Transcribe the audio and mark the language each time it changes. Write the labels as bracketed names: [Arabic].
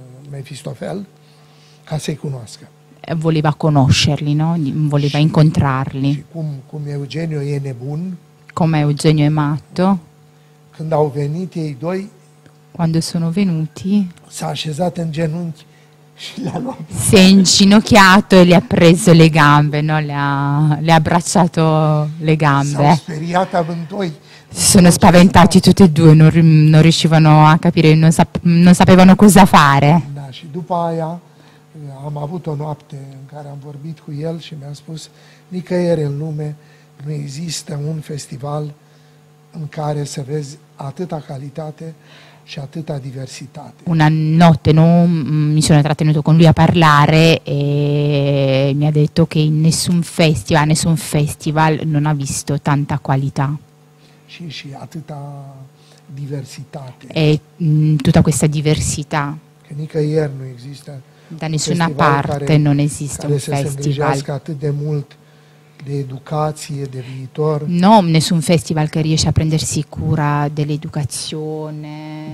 [Romanian] Mefistofel, ca să-i cunoască. [Italian] Voleva conoscerli, no? Voleva incontrarli. [Romanian] Și cum Eugenio e nebun. [Italian] Come Eugenio è matto. [Romanian] Când au venit ei doi. [Italian] Quando sono venuti. [Romanian] S-a așezat în genunchi și le-a luat. [Italian] Si è inginocchiato e le ha preso le gambe, no? Le-a abbracciato le gambe. [Romanian] S-a speriat amândoi. [Italian] Sono spaventati tutti e due, non riuscivano a capire, non sapevano cosa fare. [Romanian] Da, și după aia am avut o noapte în care am vorbit cu el și mi-a spus nicăieri în lume nu există un festival în care să vezi atâta calitate și atâta diversitate. [Italian] Una notte, no? Mi sono trattenuto con lui a parlare e mi ha detto che in nessun festival non ha visto tanta qualità. [Romanian] Și atâta diversitate. [Italian] E tutta questa diversità. [Romanian] Che nicăieri nu există. [Italian] Da nessuna parte non esiste un festival. [Romanian] Se atât de mult de educație, de viitor. [Italian] No, nessun festival che riesce a prendersi cura dell'educazione,